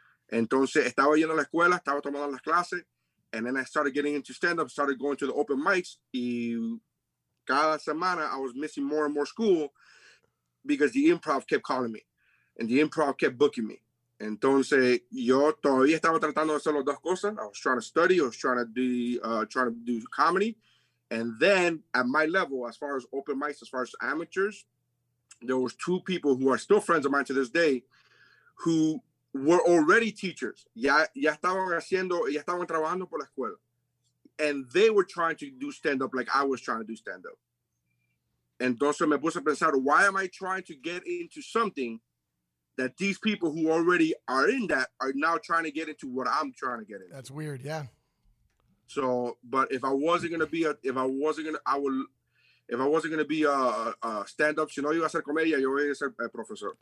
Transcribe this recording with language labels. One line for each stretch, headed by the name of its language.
Spanish: Entonces, estaba yendo a la escuela, estaba tomando las clases,
English: and then I started getting into stand-up, started going to the open mics,
Spanish: y cada semana
English: I was missing more and more school, because the improv kept calling me and the improv kept booking me.
Spanish: Entonces, yo todavía estaba tratando de hacer las dos cosas.
English: I was trying to study, I was trying to do comedy. And then at my level, as far as open mics, as far as amateurs, there was two people who are still friends of mine to this day who were already teachers.
Spanish: Ya estaban haciendo, ya estaban trabajando por la escuela.
English: And they were trying to do stand-up like I was trying to do stand-up.
Spanish: Entonces me puse a pensar,
English: why am I trying to get into something that these people who already are in that are now trying to get into what I'm trying to get into? That's weird, yeah. So, but if I wasn't gonna be a stand-up,
Spanish: si no iba a ser comedia, yo iba a ser profesor.